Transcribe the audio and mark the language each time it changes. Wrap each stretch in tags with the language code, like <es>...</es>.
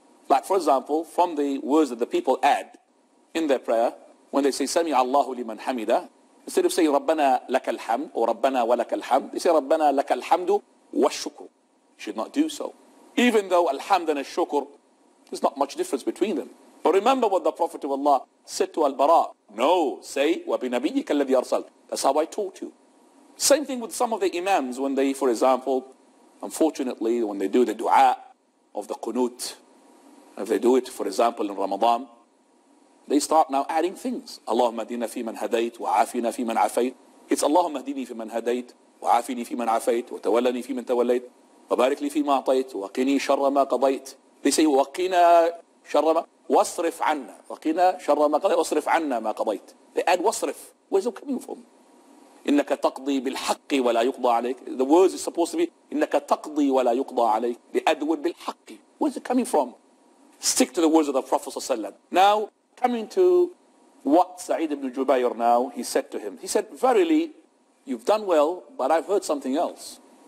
<en>Like for example, from the words that the people add in their prayer, when they say,</en> <ar>Sami Allahu liman hamida,</ar> <en>instead of saying, Rabbana lakal hamd, or Rabbana wa lakal hamd, they say, Rabbana lakal hamdu wa shukur. You should not do so. Even though alhamd and ashukur, there's not much difference between them. But remember what the Prophet of Allah said to Al-Bara. No, say,</en> <ar>وَبِنَبِيِّكَ الَّذِي أَرْسَلْتُ.</ar> <en>That's how I taught you. Same thing with some of the imams when they, for example, unfortunately, when they do the dua of the qunut, if they do it, for example, in Ramadan, they start now adding things.</en> <ar>اللهم اهدنا في من هديت وعافنا في من عافيت. It's اللهم اهدني في من هديت وعافني في من عافيت وتولني في من توليت وبارك لي فيما أعطيت وقني شر ما قضيت.</ar> <en>They say,</en> <ar>وقنا شر ما وصرف عنا وقنا شر ما قضيت وصرف عنا ما قضيت.</ar> <en>They add وصرف. Where is it coming from?</en> <ar>إنك تقضي بالحق ولا يقضى عليك.</ar> <en>The words is supposed to be</en> <ar>إنك تقضي ولا يقضى عليك.</ar> <en>They add the word بالحق. Where is it coming from? Stick to the words of the Prophet ﷺ. Now coming to what Sa'id ibn Jubayr now, he said to him. He said, verily, you've done well, but I've heard something else.</en>